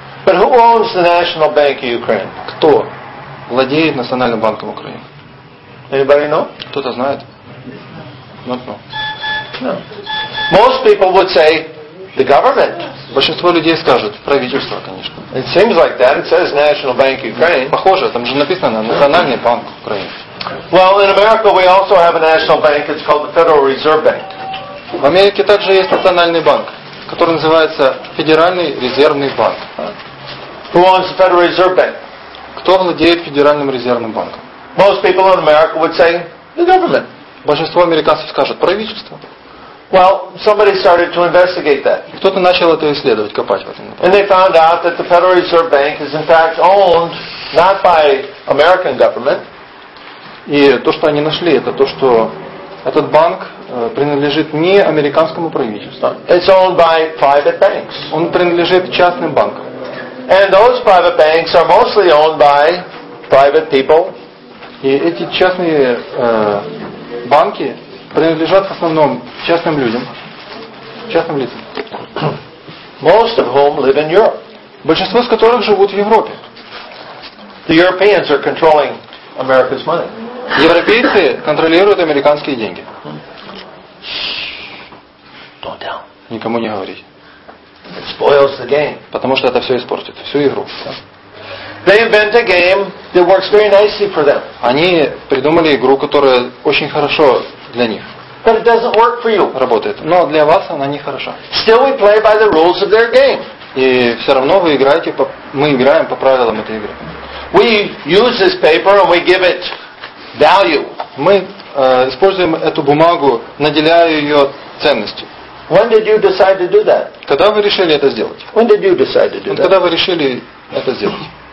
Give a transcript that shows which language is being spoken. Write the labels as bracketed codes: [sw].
[en] But who owns the National Bank of Ukraine? [ru] Кто владеет Национальным банком Украины? [en] Anybody know? [ru] Кто-то знает? [en] Not know. No. Most people would say the government. [ru] Большинство людей скажут правительство, конечно. [en] It seems like that. It says National Bank of Ukraine. [ru] Похоже, там же написано Национальный банк Украины. [en] Well, in America we also have a national bank. It's called the Federal Reserve Bank. [ru] В Америке также есть Национальный банк, который называется Федеральный резервный банк. [en] Who owns the Federal Reserve Bank? [ru] Кто владеет Федеральным резервным банком? [en] Most people in America would say the government. [ru] Большинство американцев скажут правительство. [en] Well, somebody started to investigate that. [ru] Кто-то начал это исследовать, копать в этом. [en] And they found out that the Federal Reserve Bank is in fact owned not by American government. [ru] И то, что они нашли, это то, что этот банк принадлежит не американскому правительству. [en] It's owned by private banks. [ru] Он принадлежит частным банкам. [en] And those private banks are mostly owned by private people. [ru] И эти частные банки принадлежат в основном частным людям, частным лицам. [en] Most of whom live in Europe. [ru] Большинство из которых живут в Европе. [en] The Europeans are controlling America's money. [ru] Европейцы контролируют американские деньги. Никому не говорить. [en] It spoils the game. [ru] Потому что это все испортит всю игру. [en] They invent a game that works very nicely for them. [ru] Они придумали игру, которая очень хорошо для них. [en] But it doesn't work for you. [ru] Работает. Но для вас она не хороша. [en] Still we play by the rules of their game. [ru] И все равно вы играете, мы играем по правилам этой игры. [en] We use this paper and we give it value. [ru] Мы используем эту бумагу, наделяя ее ценностью. [en] When did you decide to do that? [ru] Когда вы решили это сделать? [en] When did you decide to do that? [ru] Когда вы решили это сделать?